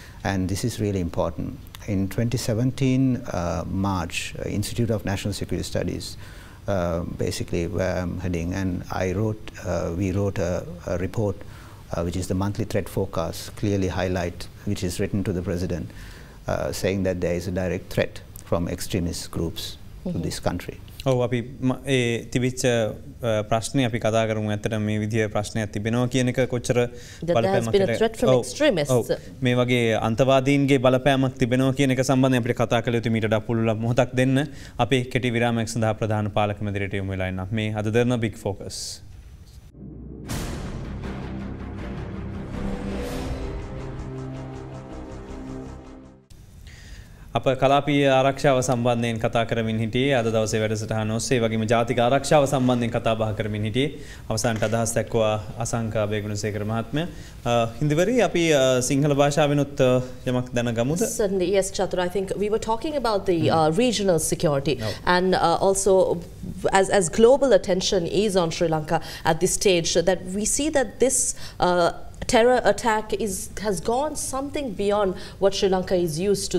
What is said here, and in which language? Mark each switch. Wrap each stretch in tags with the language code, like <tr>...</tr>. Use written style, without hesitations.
<en>And this is really important. In 2017, March, Institute of National Security Studies, basically where I'm heading, and we wrote a report, which is the monthly threat forecast, clearly highlight, which is written to the president, saying that there is a direct threat from extremist groups to this country.</en> <si>ඔව් අපි ඒ තිබිච්ච ප්‍රශ්නේ අපි කතා කරමු ඇත්තට මේ විදිහේ ප්‍රශ්නයක් තිබෙනවා කියන එක කොච්චර බලපෑමක් ඔව් මේ වගේ අන්තවාදීන්ගේ බලපෑමක් තිබෙනවා කියන එක සම්බන්ධයෙන් අපිට කතා කළ යුතු මීට ඩප්පුල්ල මොහොතක් දෙන්න අපි කෙටි විරාමයක් සඳහා ප්‍රධාන පාලක මැදිරියට යමු වෙලා ඉන්නවා මේ අද දෙන බිග් ෆෝකස් අප කලාපීය ආරක්ෂාව සම්බන්ධයෙන් කතා කරමින් හිටියේ අද දවසේ වැඩසටහන ඔස්සේ වගේම ජාතික ආරක්ෂාව සම්බන්ධයෙන් කතා බහ කරමින් හිටියේ අවසන්ට අදහස් දක්වා අසංක අබේගුණසේකර මහත්මයා හින්දිවරි අපි සිංහල භාෂාවෙනුත් යමක් දැනගමුද</si> <en>Certainly yes Chatur I think we were talking about the regional security and also as global attention is on Sri Lanka at this stage that we see that this terror attack has gone something beyond what Sri Lanka is used to.</en>